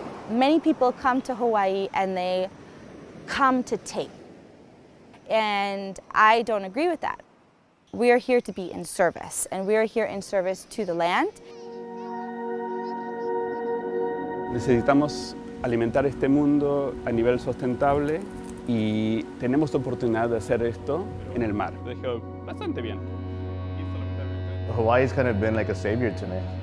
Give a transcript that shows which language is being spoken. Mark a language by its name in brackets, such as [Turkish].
[English] many people come to Hawaii and they come to take. And I don't agree with that. We are here to be in service, and we are here in service to the land. [Spanish] Necesitamos alimentar este mundo a nivel sustentable y tenemos la oportunidad de hacer esto en el mar. Bastante bien. [English] Hawaii's kind of been like a savior to me.